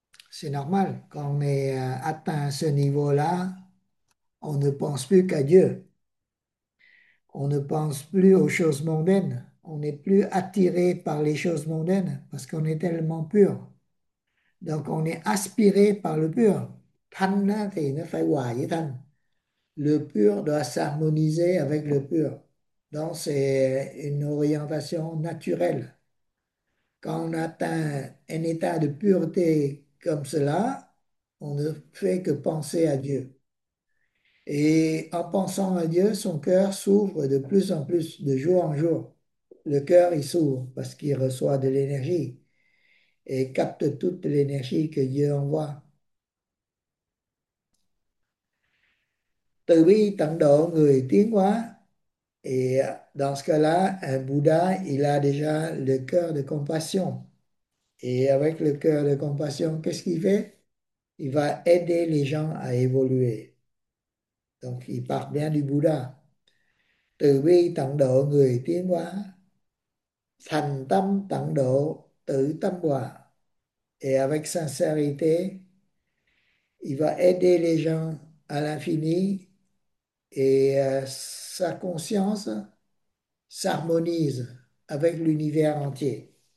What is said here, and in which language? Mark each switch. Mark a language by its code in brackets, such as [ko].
[fr] C'est normal, quand on est atteint ce niveau-là, on ne pense plus qu'à Dieu. On ne pense plus aux choses mondaines. On n'est plus attiré par les choses mondaines parce qu'on est tellement pur. Donc on est aspiré par le pur. [vi] Thanh thì nó phải hòa với thanh. [fr] Le pur doit s'harmoniser avec le pur. Donc c'est une orientation naturelle. Quand on atteint un état de pureté comme cela, on ne fait que penser à Dieu. Et en pensant à Dieu, son cœur s'ouvre de plus en plus, de jour en jour. Le cœur, il s'ouvre parce qu'il reçoit de l'énergie et capte toute l'énergie que Dieu envoie. [vi] Từ bi tận độ người tiến hóa. [fr] Et dans ce cas-là, un Bouddha, il a déjà le cœur de compassion. Et avec le cœur de compassion, qu'est-ce qu'il fait? Il va aider les gens à évoluer. Donc, il part bien du Bouddha. [vi] Từ bi tận độ người tiến hóa. Thành tâm tận độ tự tâm hòa [fr] et avec sincérité il va aider les gens à l'infini et sa conscience s'harmonise. avec l'univers entier.